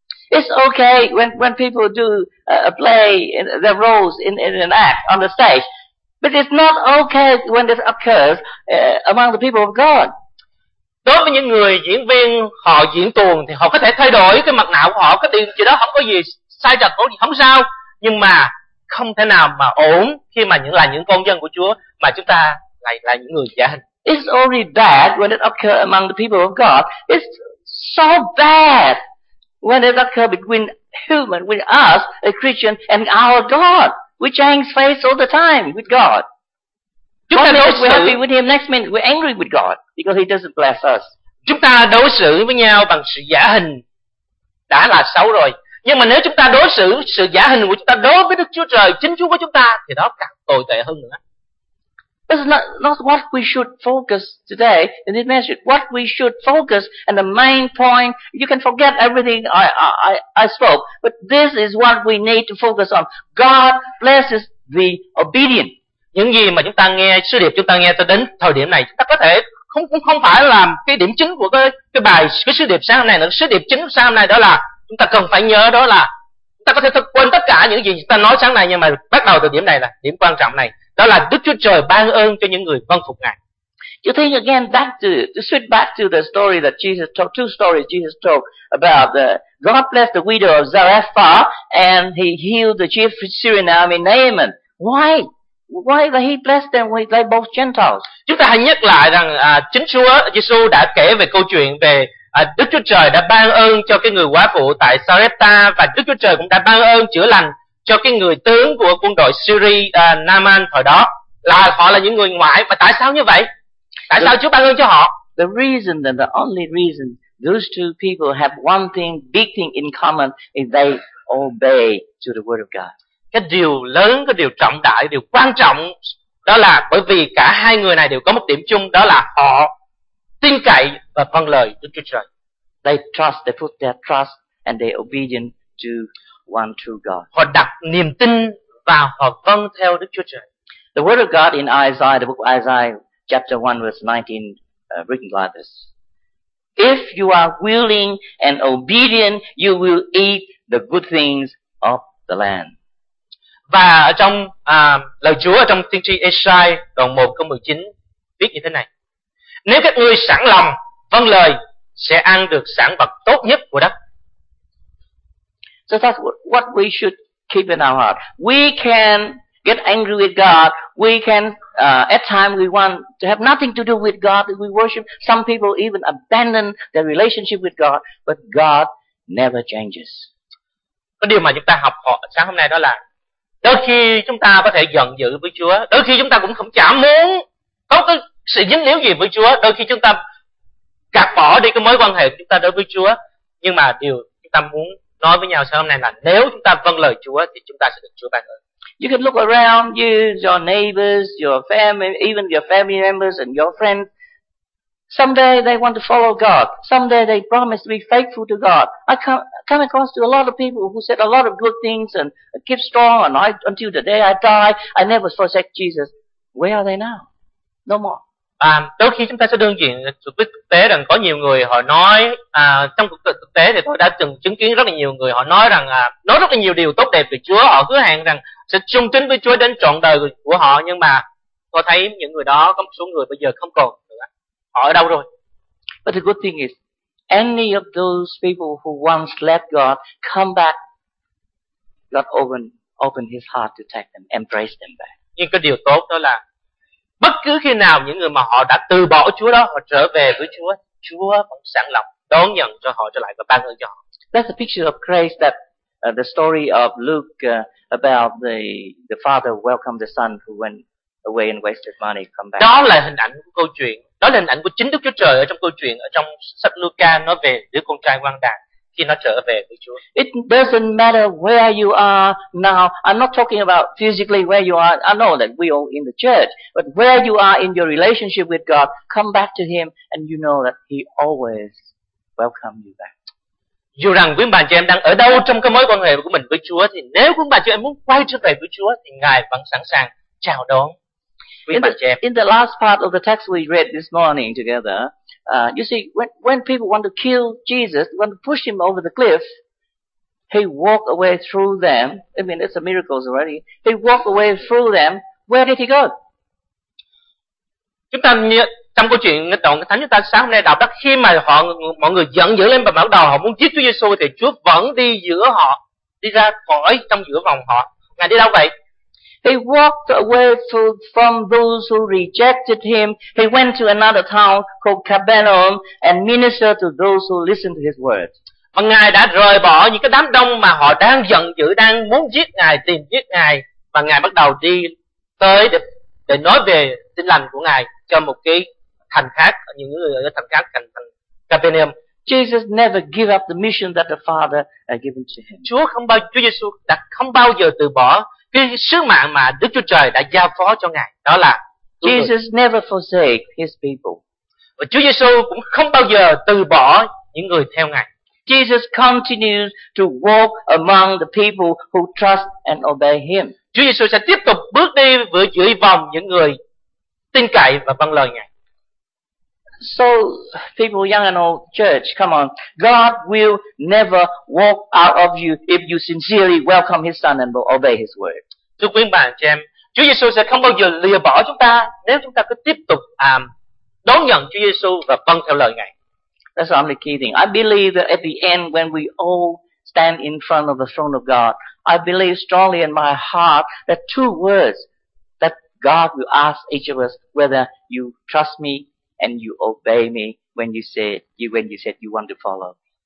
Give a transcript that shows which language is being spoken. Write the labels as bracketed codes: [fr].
[en] It's okay when people do play their roles in an act on the stage, but it's not okay when this occurs among the people of God. [vi] Đối với những người diễn viên họ diễn tuồng thì họ có thể thay đổi cái mặt nạ của họ, cái điều gì đó không có gì sai trật, có gì không sao, nhưng mà không thể nào mà ổn khi mà những là những con dân của Chúa mà chúng ta lại là những người giả hình. [en] It's already bad when it occurs among the people of God. It's so bad when it occurs between human, with us, a Christian, and our God, which hangs face all the time with God. [vi] Chúng ta đối xử, [en] we're happy with him, next minute we're angry with God because he doesn't bless us. [vi] Chúng ta đối xử với nhau bằng sự giả hình đã là xấu rồi. Nhưng mà nếu chúng ta đối xử sự giả hình của chúng ta đối với Đức Chúa Trời, chính Chúa của chúng ta, thì đó càng tồi tệ hơn nữa. [en] It's not what we should focus today in this message. What we should focus and the main point, you can forget everything I spoke, but this is what we need to focus on. God blesses the obedient. [vi] Những gì mà chúng ta nghe, sứ điệp chúng ta nghe tới đến thời điểm này, chúng ta có thể không phải là cái điểm chính của cái bài, cái sứ điệp sáng hôm nay nữa. Sứ điệp chính sáng hôm nay đó là chúng ta cần phải nhớ, đó là chúng ta có thể quên tất cả những gì chúng ta nói sáng nay, nhưng mà bắt đầu từ điểm này, là điểm quan trọng này, đó là Đức Chúa Trời ban ơn cho những người vâng phục Ngài. [en] You think again back to switch back to the story that Jesus told, two stories Jesus told about the God blessed the widow of Zarephath and he healed the chief Syrian army Naaman. Why? Why that he blessed them when they both Gentiles? [vi] Chúng ta hãy nhắc lại rằng chính Chúa Giêsu đã kể về câu chuyện về Đức Chúa Trời đã ban ơn cho cái người quả phụ tại Sarepta, và Đức Chúa Trời cũng đã ban ơn chữa lành cho cái người tướng của quân đội Syria Naaman hồi đó, là họ là những người ngoại. Mà tại sao như vậy? Tại sao Chúa ban ơn cho họ? [en] The reason and the only reason those two people have one thing, big thing in common is they obey to the word of God. [vi] Cái điều lớn, cái điều trọng đại, điều quan trọng đó là bởi vì cả hai người này đều có một điểm chung, đó là họ tin cậy và vâng lời Đức Chúa Trời. [en] They trust, they put their trust and they obedient to one true God. [vi] Họ đặt niềm tin và họ vâng theo Đức Chúa Trời. [en] The word of God in Isaiah, the book of Isaiah chapter 1 verse 19 written like this. If you are willing and obedient, you will eat the good things of the land. [vi] Và ở trong lời Chúa ở trong tiên tri Isaiah đoạn 1 câu 19 viết như thế này: nếu các ngươi sẵn lòng vâng lời sẽ ăn được sản vật tốt nhất của đất. [en] So that's what we should keep in our heart. We can get angry with God. We can at times we want to have nothing to do with God. We worship. Some people even abandon their relationship with God, but God never changes. [vi] Cái điều mà chúng ta học sáng hôm nay đó là đôi khi chúng ta có thể giận dữ với Chúa, đôi khi chúng ta cũng không chả muốn có cái sự dính líu gì với Chúa, đôi khi chúng ta gạt bỏ đi cái mối quan hệ của chúng ta đối với Chúa. Nhưng mà điều chúng ta muốn nói với nhau sáng hôm nay là nếu chúng ta vâng lời Chúa thì chúng ta sẽ được Chúa ban ơn. [en] You can look around you, your neighbors, your family, even your family members and your friends. Someday they want to follow God. Someday they promise to be faithful to God. I come across to a lot of people who said a lot of good things and keep strong and I, until the day I die, I never forsake Jesus. Where are they now? No more. [vi] Đôi khi chúng ta sẽ đương diện với thực tế rằng có nhiều người họ nói trong cuộc thực tế thì tôi đã từng chứng kiến rất là nhiều người họ nói rằng nói rất là nhiều điều tốt đẹp về Chúa, họ hứa hẹn rằng sẽ trung tín với Chúa đến trọn đời của họ, nhưng mà tôi thấy những người đó, có một số người bây giờ không còn nữa, họ ở đâu rồi? [en] But the good thing is any of those people who once left God come back, God open his heart to take them, embrace them back. [vi] Nhưng cái điều tốt đó là bất cứ khi nào những người mà họ đã từ bỏ Chúa đó, họ trở về với Chúa, Chúa vẫn sẵn lòng đón nhận cho họ trở lại và ban ơn cho họ. [en] That's the picture of grace that the story of Luke about the father welcomed the son who went away and wasted money come back. [vi] Đó là hình ảnh của câu chuyện, đó là hình ảnh của chính Đức Chúa Trời ở trong câu chuyện, ở trong sách Luca nói về đứa con trai hoang đàn khi nó trở về với Chúa. [en] It doesn't matter where you are now. I'm not talking about physically where you are. I know that we all in the church, but where you are in your relationship with God, come back to Him, and you know that He always welcomes you back. [vi] Dù rằng quý bà chị em đang ở đâu trong cái mối quan hệ của mình với Chúa, thì nếu quý bà chị em muốn quay trở về với Chúa, thì Ngài vẫn sẵn sàng chào đón quý bà chị em. [en] In the last part of the text we read this morning together. You see, when people want to kill Jesus, want to push him over the cliff, he walked away through them. I mean, it's a miracle already. He walked away through them. Where did he go? [vi] Chúng ta trong câu chuyện đoạn kinh thánh chúng ta sáng hôm nay đọc đó, khi mà họ mọi người giận dữ lên và bắt đầu họ muốn giết Chúa Giêsu thì Chúa vẫn đi giữa họ, đi ra khỏi trong giữa vòng họ. Ngài đi đâu vậy? [en] He walked away from those who rejected him. He went to another town called Capernaum and ministered to those who listened to his word. [vi] Và Ngài đã rời bỏ những cái đám đông mà họ đang giận dữ, đang muốn giết Ngài, tìm giết Ngài, và Ngài bắt đầu đi tới để nói về tin lành của Ngài cho một cái thành khác, những người ở thành khác, thành Capernaum. [en] Jesus never gave up the mission that the Father had given to him. [vi] Chúa Giêsu đã không bao giờ từ bỏ cái sứ mạng mà Đức Chúa Trời đã giao phó cho Ngài, đó là [en] Jesus never forsake his people. [vi] Và Chúa Giêsu cũng không bao giờ từ bỏ những người theo Ngài. [en] Jesus continues to walk among the people who trust and obey him. [vi] Chúa Giêsu sẽ tiếp tục bước đi với dưới vòng những người tin cậy và vâng lời Ngài. [en] So people young and old, church, come on. God will never walk out of you if you sincerely welcome his son and obey his word. [vi] Thưa quý bạn chị em, Chúa Giêsu sẽ không bao giờ lìa bỏ chúng ta nếu chúng ta cứ tiếp tục đón nhận Chúa Giêsu và vâng theo lời Ngài. [en] That's the only key thing. I believe that at the end when we all stand in front of the throne of God, I believe strongly in my heart that two words that God will ask each of us whether you trust me and you obey me when you said you want to follow.